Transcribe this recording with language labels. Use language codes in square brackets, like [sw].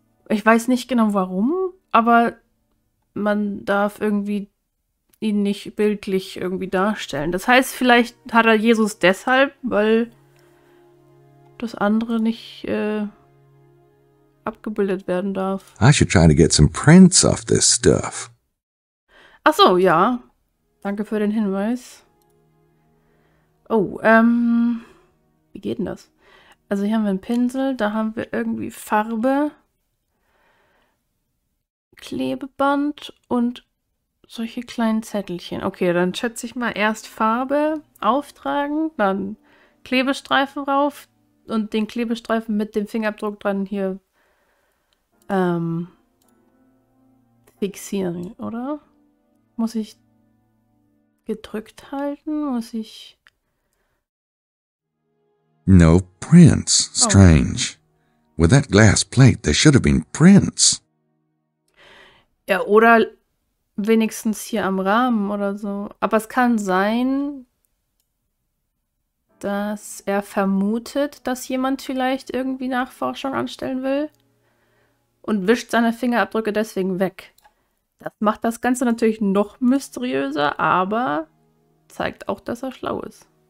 [de] Ich weiß nicht genau warum, aber man darf irgendwie ihn nicht bildlich irgendwie darstellen. Das heißt, vielleicht hat er Jesus deshalb, weil das andere nicht abgebildet werden darf. [en] I should try to get some prints off this stuff. [de] Ach so, ja. Danke für den Hinweis. Oh, wie geht denn das? Also hier haben wir einen Pinsel, da haben wir irgendwie Farbe, Klebeband und solche kleinen Zettelchen. Okay, dann schätze ich mal erst Farbe auftragen, dann Klebestreifen rauf und den Klebestreifen mit dem Fingerabdruck dran hier fixieren, oder? Muss ich gedrückt halten? Muss ich... [en] No prints. Strange. Oh. With that glass plate, there should have been prints. [de] Ja, oder... Wenigstens hier am Rahmen oder so. Aber es kann sein, dass er vermutet, dass jemand vielleicht irgendwie Nachforschung anstellen will und wischt seine Fingerabdrücke deswegen weg. Das macht das Ganze natürlich noch mysteriöser, aber zeigt auch, dass er schlau ist.